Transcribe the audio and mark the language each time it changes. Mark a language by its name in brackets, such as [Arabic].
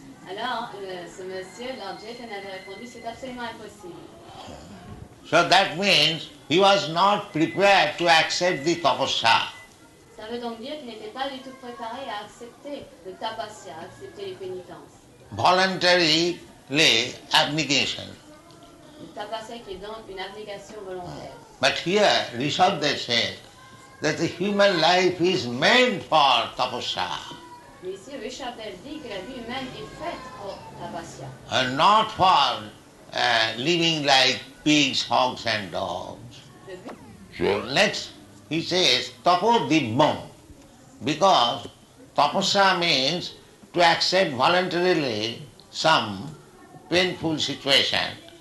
[French] Alors, ce monsieur, Lord Jutland, avait répondu, c'est absolument impossible. [English] So that means he was not prepared to accept the tapasya. [French] Ça veut donc dire qu'il n'était pas du tout préparé à accepter le tapasya, accepter les pénitences. [English] Voluntary lay abnegation. [French] Tapasya qui est donc une abnegation volontaire. [English] But here, Rishabdev said that the human life is meant for tapasya. [French] Mais ici, Rishabdev dit que la vie humaine est faite pour tapasya. [English] And not for living like pigs, hogs and dogs. Sure. Next, he says, [Sanskrit] tapo dibbam. [English] Because tapasya means to accept voluntarily some painful situation.